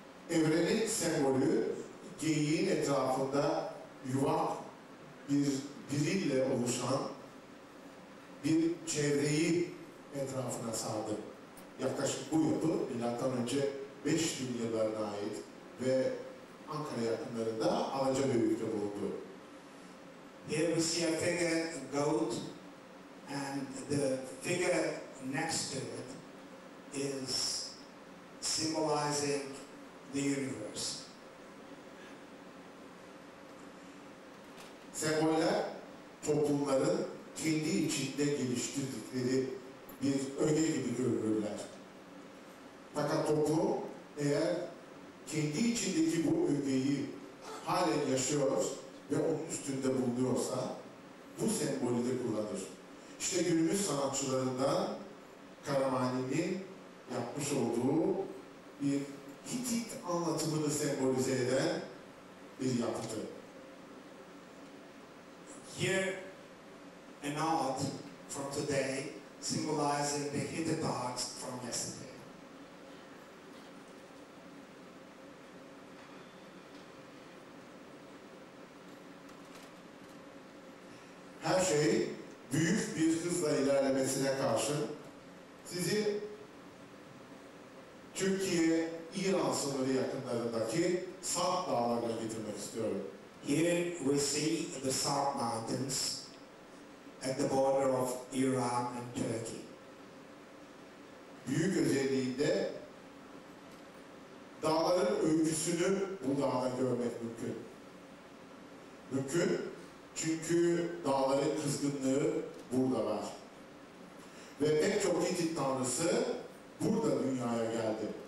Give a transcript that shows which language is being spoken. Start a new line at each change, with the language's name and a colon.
Turkish: Evrenin sembolü geyiğin etrafında yuvak bir birille oluşan bir çevreyi etrafına sardı. Yaklaşık bu yapı milattan önce 5000 yıllarına ait ve Ankara yakınlarında Alaca Büyük'te bulundu.
English: Here we see a figure, a goat, and the figure next to it is symbolizing the universe.
Turkish: Semboller, toplumların kendi içinde geliştirdikleri bir öge gibi görülürler. Fakat toplum eğer kendi içindeki bu ögeyi halen yaşıyor ve onun üstünde bulunuyorsa bu sembolü de kullanır. İşte günümüz sanatçılarından Karamani'nin yapmış olduğu bir Hitit anlatımını sembolize eden bir yapıtı.
English: Here an art from today symbolizing the Hitit art from yesterday.
Turkish: Her şey büyük bir hızla ilerlemesine karşın sizi Türkiye İran sınırı yakınlarındaki Sarp dağlarına getirmek istiyorum.
English: Here we see the Sarp mountains at the border of Iran and Turkey.
Turkish: Büyük özelliğinde dağların öyküsünü bu dağda görmek mümkün. Mümkün çünkü dağların kızgınlığı burada var. Ve pek çok Hitit tanrısı burada dünyaya geldi.